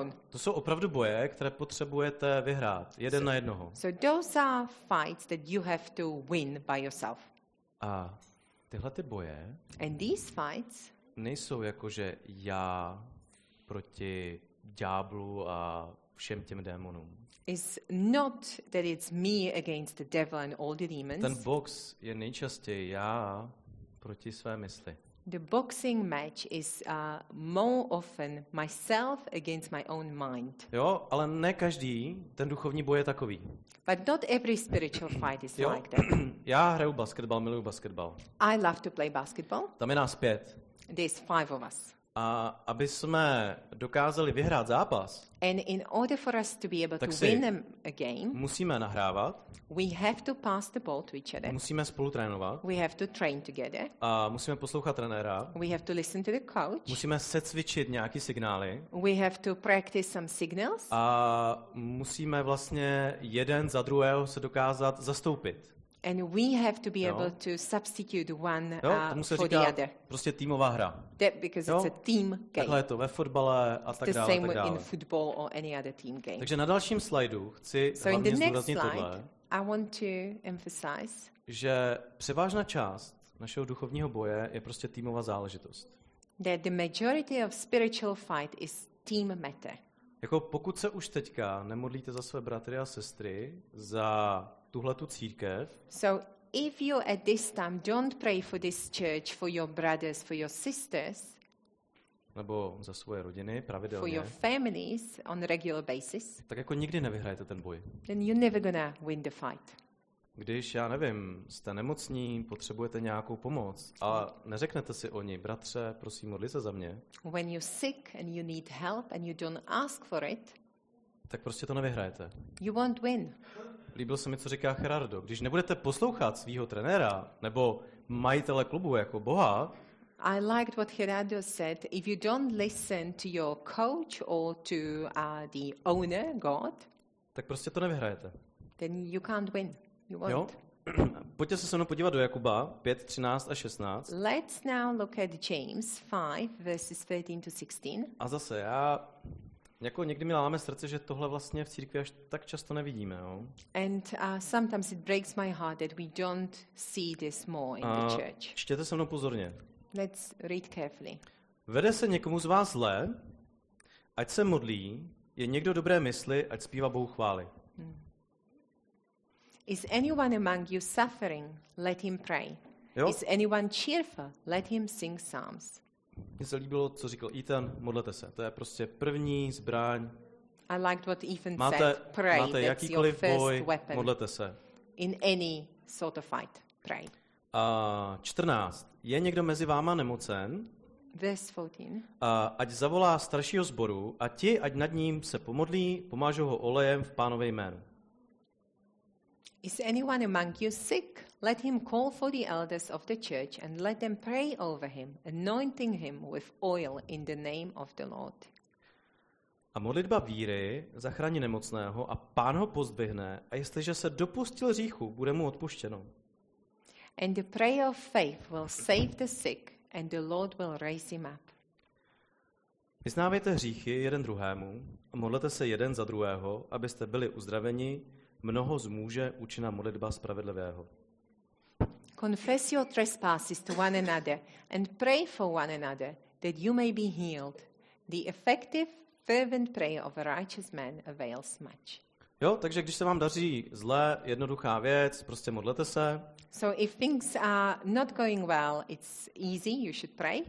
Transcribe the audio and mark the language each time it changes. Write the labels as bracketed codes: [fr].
[cs] To jsou opravdu boje, které potřebujete vyhrát, jeden na jednoho. [en] So those are fights that you have to win by yourself. [cs] A tyhle ty boje. [en] And these fights. [cs] Nejsou jako že já proti ďáblu a všem těm démonům. [en] It's not that it's me against the devil and all the demons. [cs] Ten box je nejčastěji já proti své mysli. [en] The boxing match is more often myself against my own mind. [cs] Jo, ale ne každý ten duchovní boj je takový. [en] But not every spiritual fight is jo. Like that. [cs] Já hraju basketbal, miluju basketbal. [en] I love to play basketball. [cs] Tam je nás pět. [en] There's five of us. [cs] A aby jsme dokázali vyhrát zápas. [en] And in order for us to be able to win a game. [cs] Musíme nahrávat. [en] We have to pass the ball to each other. [cs] Musíme spolu trénovat. [en] We have to train together. [cs] A musíme poslouchat trenéra. [en] We have to listen to the coach. [cs] Musíme secvičit nějaký signály. [en] We have to practice some signals. [cs] A musíme vlastně jeden za druhého se dokázat zastoupit. [en] And we have to be able to substitute one for the other. [cs] Prostě týmová hra. [en] That because it's a team game. [cs] Takhle je to ve fotbale a tak dále. [en] The same in football or any other team game. [cs] Takže na dalším slajdu chci hlavně zdůraznit tohle. [en] I want to emphasize, [cs] že převážná část našeho duchovního boje je prostě týmová záležitost. [en] That the majority of spiritual fight is team matter. [cs] Jako pokud se už teďka nemodlíte za své bratry a sestry, za tuhle tu církev. [en] So if you at this time don't pray for this church, for your brothers, for your sisters, [cs] nebo za svoje rodiny pravidelně. [en] For your families on a regular basis. [cs] Tak jako nikdy nevyhrajete ten boj. [en] Then you're never gonna win the fight. [cs] Když, já nevím, jste nemocní, potřebujete nějakou pomoc a neřeknete si o ní, bratře, prosím, modli se za mě. [en] When you're sick and you need help and you don't ask for it. [cs] Tak prostě to nevyhrajete. [en] You won't win. [cs] Líbilo se mi, co říká Gerardo. Když nebudete poslouchat svého trenéra nebo majitele klubu jako Boha. [en] I liked what Gerardo said. If you don't listen to your coach or to the owner, God. [cs] Tak prostě to nevyhrajete. [en] Then you can't win. You won't. Jo? [cs] Pojďte se se mnou podívat do Jakuba 5, 13 a 16. [en] Let's now look at James 5, verses 13 to 16. [cs] A zase já... Jako někdy mi láme srdce, že tohle vlastně v církvi až tak často nevidíme, jo. [en] And sometimes it breaks my heart that we don't see this more in the church. [cs] Čtěte se mnou pozorně. [en] Let's read carefully. [cs] Vede se někomu z vás zle, ať se modlí, je někdo dobré mysli, ať zpívá Bohu chvály. [en] Is anyone among you suffering? Let him pray. Jo? Is anyone cheerful? Let him sing psalms. [cs] Mně se líbilo, co říkal Ethan, modlete se. To je prostě první zbraň. [en] I liked what Ethan [cs] máte, [en] said. Pray. [cs] Máte jakýkoliv boj, modlete se. [en] In any sort of fight, pray. 14. [cs] Je někdo mezi váma nemocen? [en] Verse 14. [cs] Ať zavolá staršího sboru a ti, ať nad ním se pomodlí, pomážou ho olejem v Pánově jménu. [en] Is anyone among you sick? Let him call for the elders of the church and let them pray over him, anointing him with oil in the name of the Lord. [cs] A modlitba víry zachrání nemocného a Pán ho pozdvihne, a jestliže se dopustil hříchu, bude mu odpuštěno. [en] And the prayer of faith will save the sick and the Lord will raise him up. [cs] Vyznávejte hříchy jeden druhému a modlete se jeden za druhého, abyste byli uzdraveni. Mnoho zmůže účinná modlitba spravedlivého. [en] Confess your trespasses to one another and pray for one another that you may be healed. The effective fervent prayer of a righteous man avails much. [cs] Jo, takže když se vám daří zle, jednoduchá věc, prostě modlete se. [en] So if things are not going well, it's easy, you should pray.